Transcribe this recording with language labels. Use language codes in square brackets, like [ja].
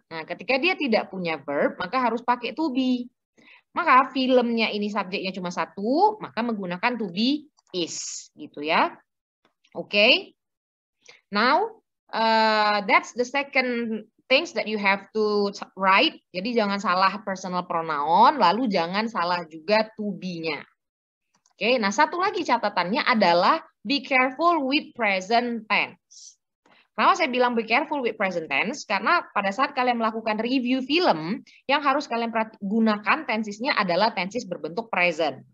[id] Nah, ketika dia tidak punya verb, maka harus pakai to be. Maka filmnya ini subjeknya cuma satu, maka menggunakan to be is, gitu ya. [en] Okay. Now that's the second things that you have to write. [id] Jadi jangan salah personal pronoun, lalu jangan salah juga to be-nya. Oke, okay, nah satu lagi catatannya adalah [en] be careful with present tense. [id] Kenapa saya bilang [en] be careful with present tense? [id] Karena pada saat kalian melakukan review film, yang harus kalian gunakan tenses-nya adalah tenses berbentuk present.